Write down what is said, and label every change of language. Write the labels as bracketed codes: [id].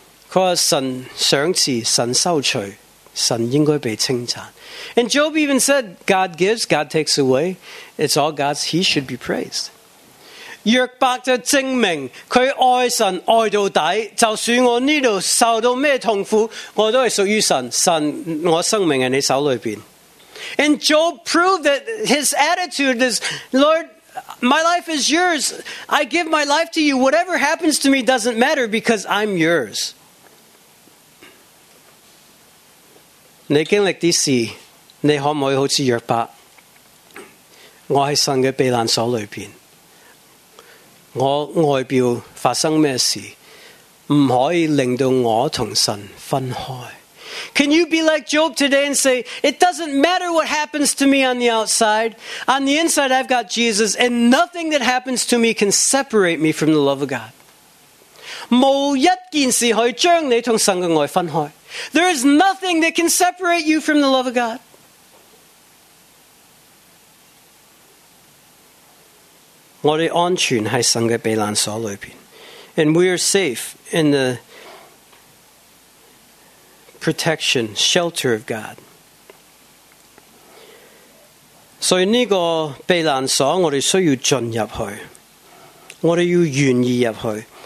[zh] 他说神赏赐，神收取，神应该被称赞。 [en] And Job even said, God gives, God takes away. It's all God's, he should be praised. [zh] 约伯就证明他爱神爱到底，就算我这里受到什么痛苦，我都是属于神，神我生命在你手里面。 [en] And Job proved that his attitude is, Lord, my life is yours. I give my life to you. Whatever happens to me doesn't matter because I'm yours. [zh] 你经历的事，你可不可以好像约伯，我在神的避难所里面，我外表发生什么事，不可以令到我和神分开。 [en] Can you be like Job today and say, it doesn't matter what happens to me on the outside. On the inside, I've got Jesus, and nothing that happens to me can separate me from the love of God. [zh] 无一件事可以将你从神的爱分开。 [en] There is nothing that can separate you from the love of God. [zh] 我们安全在神的避难所里面。 [en] And we are safe in the protection, shelter of God. [zh] 所以这个避难所我们需要进入去，我们要愿意入去。